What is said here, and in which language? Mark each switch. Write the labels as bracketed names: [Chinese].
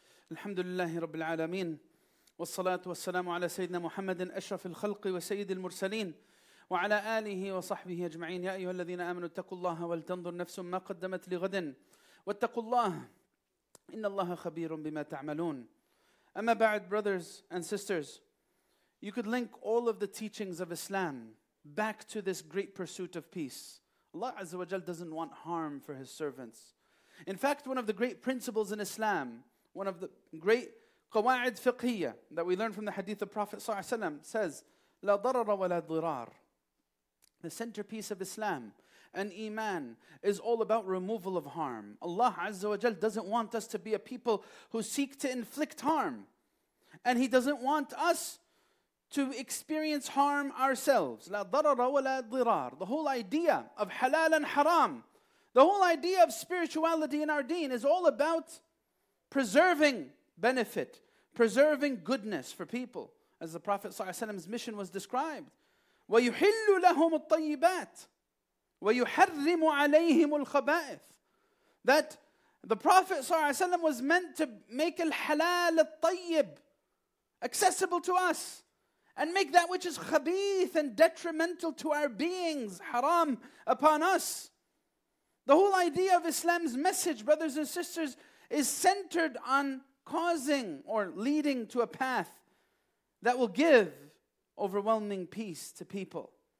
[Arabic] الحمد لله رب العالمين والصلاة والسلام على سيدنا محمد أشرف الخلق وسيد المرسلين وعلى آله وصحبه أجمعين. يا أيها الذين آمنوا اتقوا الله ولتنظر نفس ما قدمت لغد واتقوا الله إن الله خبير بما تعملون. أما بعد, [English] brothers and sisters, you could link all of the teachings of Islam back to this great pursuit of peace. Allah Azza wa Jal doesn't want harm for His servants. In fact, one of the great principles in Islam, one of the great qawa'id fiqhiyya that we learn from the hadith of Prophet ﷺ, says, [Arabic] "La darara wa la dirar." [English] The centerpiece of Islam and Iman is all about removal of harm. Allah Azza wa Jal doesn't want us to be a people who seek to inflict harm. And He doesn't want us to experience harm ourselves. [Arabic] La darara wa la dirar. [English] The whole idea of halal and haram, the whole idea of spirituality in our deen is all about preserving benefit, preserving goodness for people, as the Prophet ﷺ's mission was described. [Arabic] ويحل لهم الطيبات ويحرم عليهم الخبائث. [English] That the Prophet sallallahu alaihi wasallam was meant to make al-halal al-tayyib accessible to us, and make that which is khabith and detrimental to our beings haram upon us. The whole idea of Islam's message, brothers and sisters, is centered on causing or leading to a path that will give overwhelming peace to people.